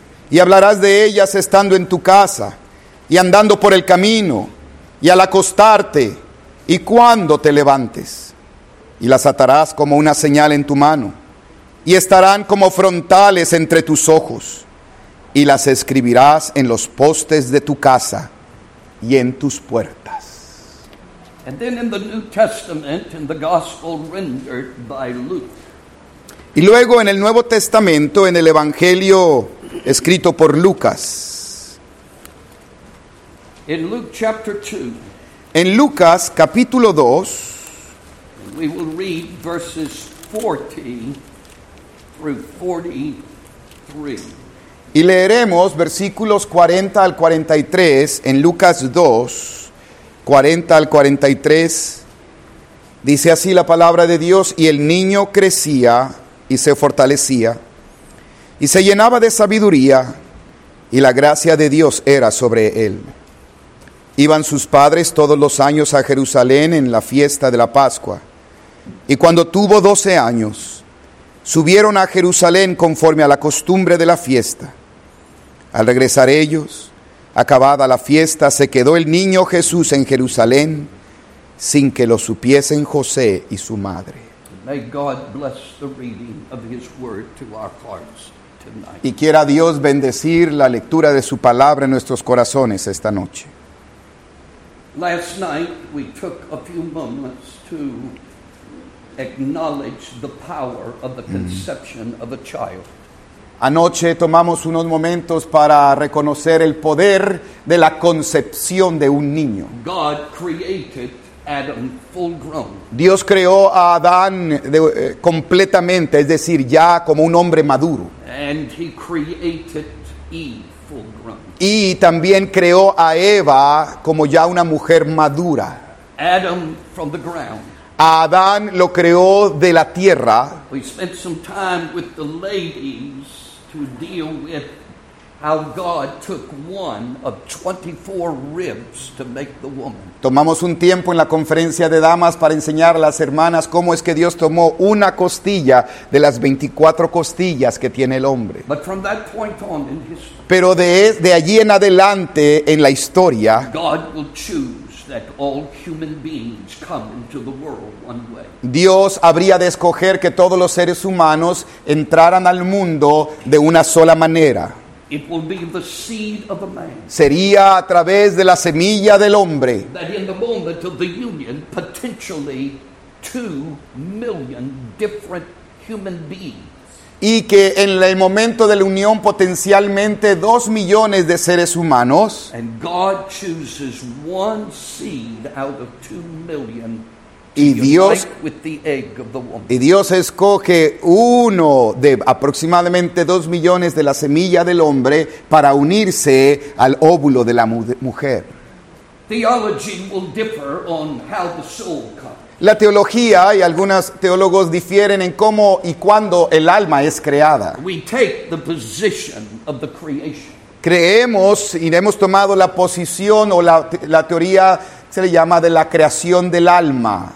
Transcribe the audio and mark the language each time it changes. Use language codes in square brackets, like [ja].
[es] Y hablarás de ellas estando en tu casa, y andando por el camino, y al acostarte, y cuando te levantes. Y las atarás como una señal en tu mano, y estarán como frontales entre tus ojos, y las escribirás en los postes de tu casa y en tus puertas. [en] And then in the New Testament, in the gospel rendered by Luke. [es] Y luego en el Nuevo Testamento, en el Evangelio escrito por Lucas. [en] In Luke chapter 2. [es] En Lucas capítulo 2. [en] We will read verses 40 through 43. [es] Y leeremos versículos 40 al 43 en Lucas 2, 40 al 43. Dice así la palabra de Dios, y el niño crecía y se fortalecía, y se llenaba de sabiduría, y la gracia de Dios era sobre él. Iban sus padres todos los años a Jerusalén en la fiesta de la Pascua, y cuando tuvo 12 años, subieron a Jerusalén conforme a la costumbre de la fiesta. Al regresar ellos, acabada la fiesta, se quedó el niño Jesús en Jerusalén, sin que lo supiesen José y su madre. [en] May God bless the reading of His word to our hearts tonight. [es] Y quiera Dios bendecir la lectura de su palabra en nuestros corazones esta noche. [en] Last night we took a few moments to acknowledge the power of the conception of a child. [es] Anoche tomamos unos momentos para reconocer el poder de la concepción de un niño. [en] God created Adam full grown. [es] Dios creó a Adán completamente, es decir, ya como un hombre maduro. [en] And he created Eve full grown. [es] Y también creó a Eva como ya una mujer madura. [en] Adam from the ground. [es] A Adán lo creó de la tierra. [en] We spent some time with the ladies to deal with how God took one of 24 ribs to make the woman. [es] Tomamos un tiempo en la conferencia de damas para enseñar a las hermanas cómo es que Dios tomó una costilla de las 24 costillas que tiene el hombre. [en] But from that point on in history, [es] pero de allí en adelante en la historia, [en] God will choose that all human beings come into the world one way. [es] Dios habría de escoger que todos los seres humanos entraran al mundo de una sola manera. [en] It will be the seed of a man. [es] Sería a través de la semilla del hombre. [en] That in the moment of the union, potentially 2 million different human beings. [es] Y que en el momento de la unión, potencialmente 2 millones de seres humanos. [en] And God chooses one seed out of 2 million. [es] Y Dios escoge uno de aproximadamente 2 millones de la semilla del hombre para unirse al óvulo de la mujer. [en] Theology will differ on how the soul comes. [es] La teología y algunos teólogos difieren en cómo y cuándo el alma es creada. [en] We take the position of the creation. [es] Creemos y hemos tomado la posición o la teoría. Se le llama de la creación del alma.